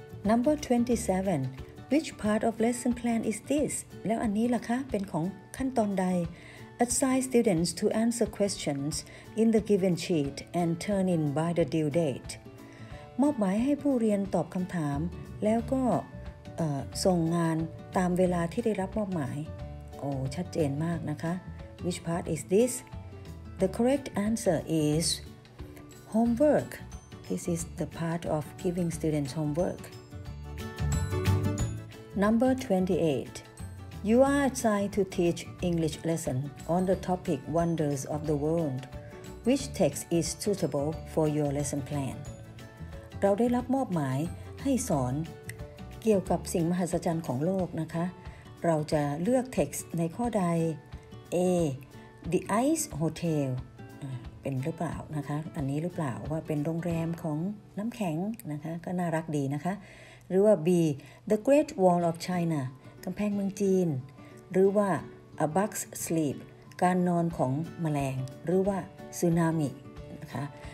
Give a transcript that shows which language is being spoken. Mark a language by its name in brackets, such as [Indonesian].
[English] number 27 which part of lesson plan is this [Thai] แล้วอันนี้ล่ะคะเป็นของขั้นตอนใด [English] assign students to answer questions in the given sheet and turn in by the due date [Thai] มอบหมายให้ผู้เรียนตอบคำถามแล้วก็ส่งงานตามเวลาที่ได้รับมอบหมายโอ้ชัดเจนมากนะคะ [English] Which part is this? The correct answer is homework. This is the part of giving students homework. Number 28. You are assigned to teach English lesson on the topic Wonders of the World. Which text is suitable for your lesson plan? [Thai] เราได้รับมอบหมายให้สอนเกี่ยวกับสิ่งมหัศจรรย์ของโลกนะคะ เราจะเลือก text ในข้อใด A the ice hotel เป็นหรือเปล่านะคะอันนี้หรือเปล่าว่าเป็นโรงแรมของน้ำแข็งนะคะก็น่ารักดีนะคะหรือว่า B the great wall of China กำแพงเมืองจีนหรือว่า a bug's sleep การนอนของแมลงหรือว่าสึนามินะคะ